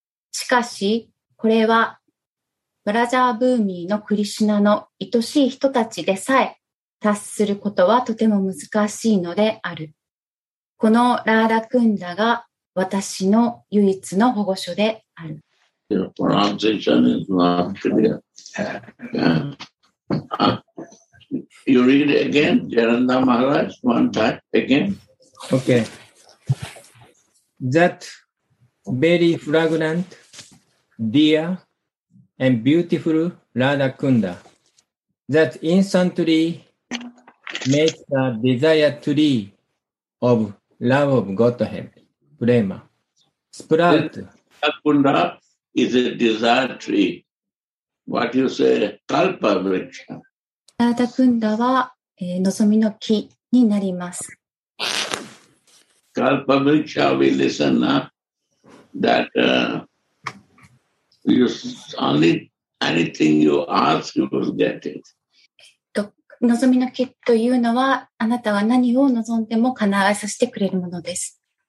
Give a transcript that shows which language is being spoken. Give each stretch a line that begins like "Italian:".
Japanese: しかし、これは、ブラジャーブーミーのクリシュナの愛しい人たちでさえ、達することはとても難しいのである。このラーダクンダが私の唯一の保護所である。
English: Your pronunciation is not clear. You read again, Jananda Maharaj, one time again. Okay. That very fragrant, dear, and beautiful Radha Kunda that instantly makes a desire tree of love of Godhead, Prema, sprout. Radha Kunda is a desire tree. What you say, Kalpa Vriksha.
Japanese: Radha Kunda は望みの木になります。
English: Kalpa Vriksha, we listen now, that you, only anything you ask, you will get it.
Japanese: 望みの木というのは、あなたは何を望んでも叶えさせてくれるものです。